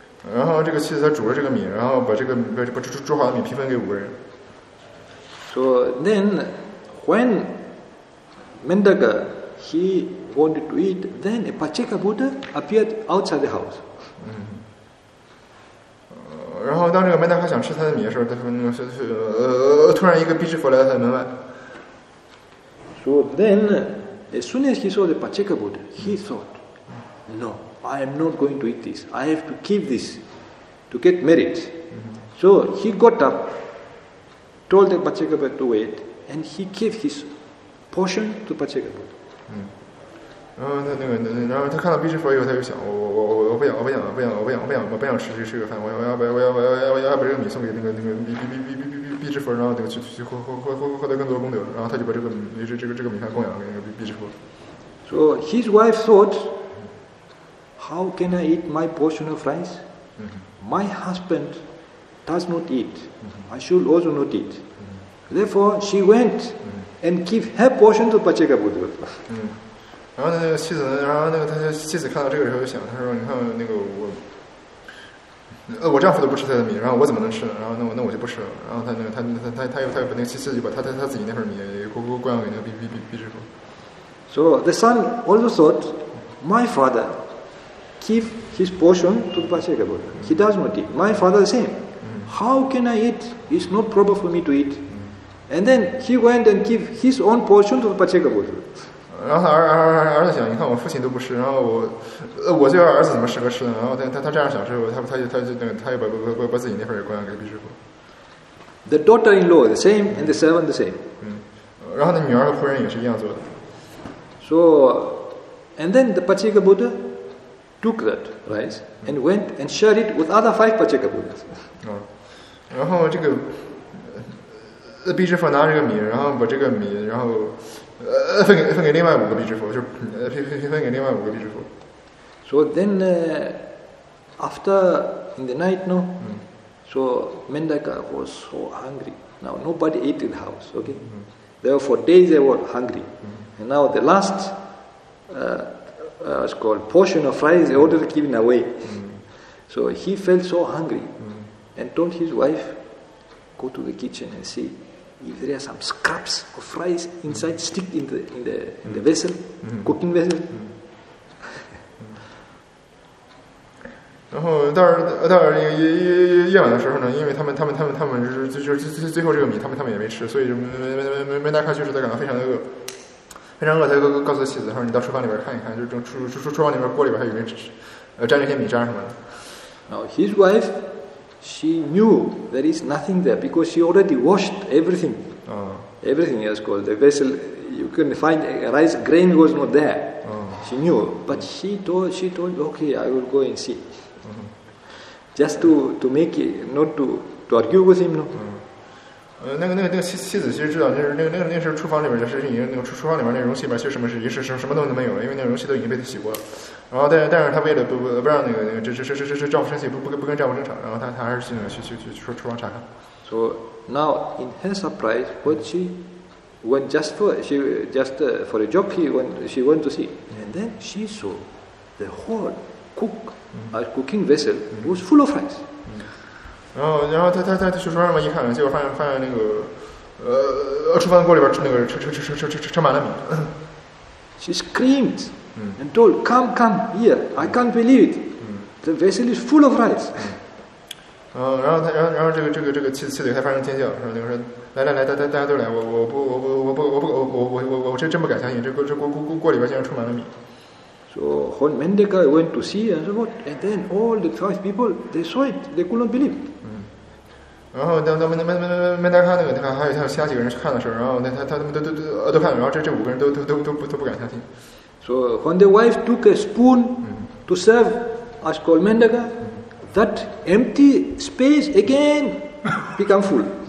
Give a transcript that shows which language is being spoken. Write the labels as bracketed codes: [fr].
[zh] 然后这个妻子他煮了这个米，然后把这个把煮好的米平分给五个人。 [en] So then, when Mendaka he wanted to eat, then a Pacheka Buddha appeared outside the house. [zh] 然后当这个曼达卡想吃他的米的时候，他说：“突然一个比丘佛来到他的门外。” [en] So then, as soon as he saw the Pacheka Buddha, he thought, "No, I am not going to eat this. I have to keep this to get merit." So he got up, told the Pacheka Buddha to wait, and he gave his portion to Pacheka Buddha. [zh] 然后他看到毕师佛以后，他就想，我不想，我不想，不想，我不想，不想，我不想吃这个饭，我要把这个米送给那个毕师佛，然后去获得更多功德，然后他就把这个米饭供养给那个毕师佛。 [en] So his wife thought, how can I eat my portion of rice? My husband does not eat. I should also not eat. Therefore, she went and give her portion to Pacheka Buddha. [zh] 然后那个妻子，他妻子看到这个时候就想，他说：“你看那个我丈夫都不吃他的米，然后我怎么能吃呢？然后那我就不吃了。” 然后他又把那个妻子就把他自己那份米供养给那个毕师佛。 [en] So the son also thought, my father give his portion to the Pacheka Buddha. He does not eat. My father the same. How can I eat? It's not proper for me to eat. And then he went and give his own portion to the Pacheka Buddha. [zh] 然后儿子想，你看我父亲都不吃，然后我这个儿子怎么适合吃呢？然后他这样想之后，他就把自己那份也供养给毕师傅。 [en] The daughter-in-law the same and the servant the same。 [zh] 然后那女儿和仆人也是一样做的。 [en] So, and then the Pacheka Buddha took that rice and went and shared it with other five Pacheka Buddhas。 [zh] 然后这个毕师傅拿这个米，然后把这个米，然后。分给另外五个毕支佛，分给另外五个毕支佛。 [en] So then, after in the night, no. So Mendaka was so hungry. Now nobody ate in the house. Okay. Therefore, days they were hungry. And now the last, it's called portion of rice they ordered given away. So he felt so hungry, and told his wife, "Go to the kitchen and see." If there are some scraps of rice inside, stick in the vessel, cooking vessel. [zh] 然后到夜晚的时候呢，因为他们最后这个米他们也没吃，所以没拿开，就是他感到非常的饿，非常饿。他就告诉妻子说：“你到厨房里边看一看，就是厨房里边锅里边还有没有沾着些米渣什么的。” [en] Now his wife. She knew there is nothing there because she already washed everything. Everything is called the vessel. You can find a rice grain was not there. She knew, but she told, okay, I will go and see. Just to make it, not to argue with him, no. [zh] 那个妻子其实知道，就是那个时候厨房里边就是已经那个厨房里边那容器里边其实什么东西都没有了，因为那容器都已经被他洗过了。然后但是他为了不让那个这丈夫生气，不跟丈夫争吵，然后他还是去厨房查看。 [en] So now in her surprise, what she went for a job, she went to see, and then she saw the whole cooking vessel was full of rice. [zh] 然后他去厨房上面一看，结果发现那个厨房锅里边那个盛满了米。 [en] She screamed. And told, come here, I can't believe it. The vessel is full of rice. [zh] 然后这个妻子还发生尖叫，说来，大家都来，我真不敢相信，这锅里边竟然充满了米。 [en] So when Mendaka went to see and so what, and then all the five people they saw it, they could not believe it. [zh] 然后Mendaka那个他还有其他几个人去看的时候，然后他们都看，然后这五个人都不敢相信。 [en] So when the wife took a spoon to serve as called Mendaka, that empty space again become full.